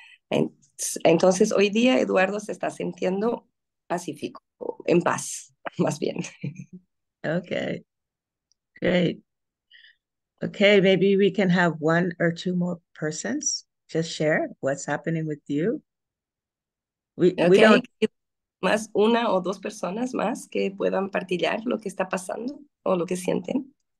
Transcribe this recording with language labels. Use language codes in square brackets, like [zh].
[es] Entonces, hoy día Eduardo se está sintiendo pacífico, en paz, más bien. [en] Okay, great. Okay, maybe we can have one or two more persons just share what's happening with you. We Okay, don't. [es] más una o dos personas más que puedan partillar lo que está pasando o lo que sienten.